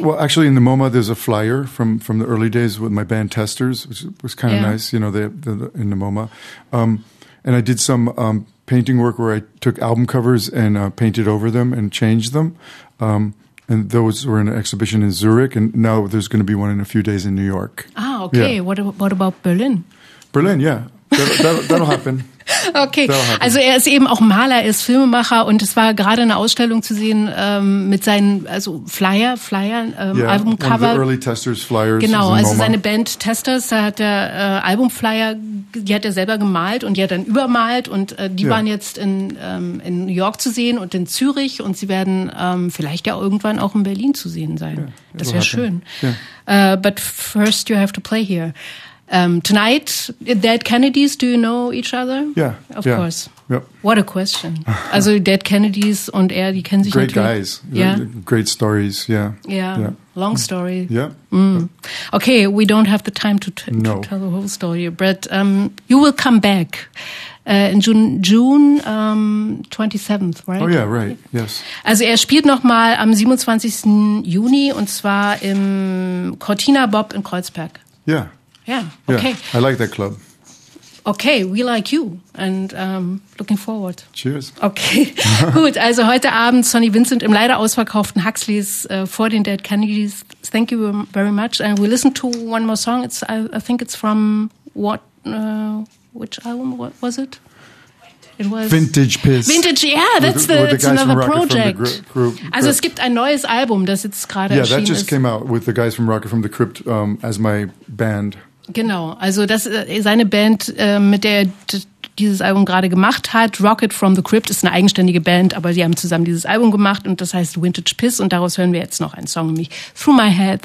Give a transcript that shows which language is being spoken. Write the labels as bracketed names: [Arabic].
[English] Yeah, well, actually, in the MoMA, there's a flyer from the early days with my band Testers, which was kind of nice, you know, they're in the MoMA. And I did some painting work where I took album covers and painted over them and changed them. And those were in an exhibition in Zurich, and now there's going to be one in a few days in New York. Ah, okay. Yeah. What about Berlin? Berlin, yeah. That'll happen. [German] Okay, also er ist eben auch Maler, er ist Filmemacher, und es war gerade eine Ausstellung zu sehen mit seinen, also Flyer, Albumcover. [English] Yeah, one of the early Testers Flyers. [German] Genau, also [English] MoMA. [German] Seine Band Testers, da hat er Albumflyer, die hat er selber gemalt und die hat dann übermalt, und die waren jetzt in New York zu sehen und in Zürich, und sie werden vielleicht ja irgendwann auch in Berlin zu sehen sein. [English] Yeah, [German] das wäre schön. [English] Yeah. But first you have to play here. Tonight, Dead Kennedys, do you know each other? Yeah, of yeah. course. Yep. What a question. [German] Also Dead Kennedys und er, die kennen sich [English] great [German] natürlich. [English] Great guys. Yeah. Great stories, yeah. Yeah, yeah. Long story. Yeah. Mm. Okay, we don't have the time to tell the whole story, but you will come back in June 27th, right? Oh yeah, right, yes. [German] Also er spielt nochmal am 27. Juni und zwar im Cortina Bob in Kreuzberg. [English] Yeah. Yeah, okay. Yeah, I like that club. Okay, we like you and looking forward. Cheers. [German] Okay, gut, also heute Abend Sonny Vincent im leider ausverkauften Huxleys vor den Dead Kennedys. [English] Thank you very much. And we listen to one more song. It's I think it's from what, which album was it? It was Vintage Piss. Vintage, yeah, that's the, it's guys another from project. From the group. [German] Also es gibt ein neues Album, das jetzt gerade erschienen [English] Yeah, that just [German] ist. [English] Came out with the guys from Rocket from the Crypt as my band. [German] Genau, also das seine Band, mit der er dieses Album gerade gemacht hat, Rocket from the Crypt, ist eine eigenständige Band, aber sie haben zusammen dieses Album gemacht und das heißt Vintage Piss und daraus hören wir jetzt noch einen Song, nämlich Through My Head.